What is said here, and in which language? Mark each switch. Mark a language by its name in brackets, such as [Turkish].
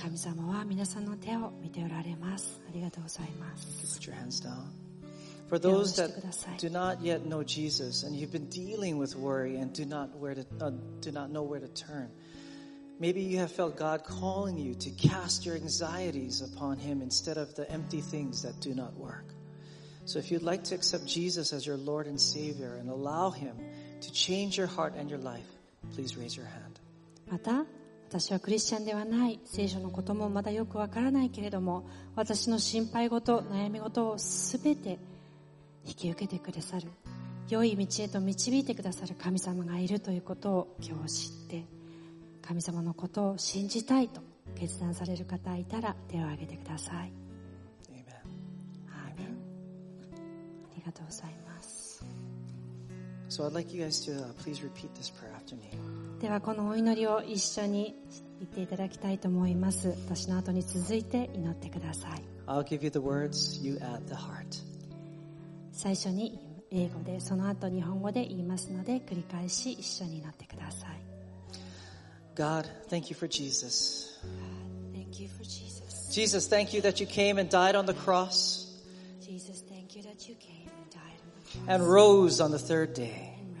[Japanese] 神様は皆さんの手を見ておられます。ありがとうございます。 [English] Put your hands down. For those that do not yet know Jesus and you've been dealing with worry and do not know where to turn, maybe you have felt God calling you to cast your anxieties upon Him instead of the empty things that do not work. So if you'd like to accept Jesus as your Lord and Savior and allow Him to change your heart and your life, please raise your hand. [Japanese] また私はクリスチャンではない、聖書のこともまだよくわからないけれども、私の心配事、悩み事をすべて引き受けてくださる、良い道へと導いてくださる神様がいるということを今日知って、神様のことを信じたいと決断される方がいたら手を挙げてください。 [English] Amen. Amen. [Japanese] ありがとうございます。 [English] So I'd like you guys to please repeat this prayer after me. [Japanese] ではこのお祈りを一緒に言っていただきたいと思います。私の後に続いて祈ってください。 [English] I'll give you the words, you add the heart. [Japanese] 最初に英語で、その後日本語で言いますので、繰り返し一緒に祈ってください。 [English] God, thank you for Jesus. God, thank you for Jesus. Jesus, thank you that you came and died on the cross. Jesus, thank you that you came and died on the cross. And rose on the third day.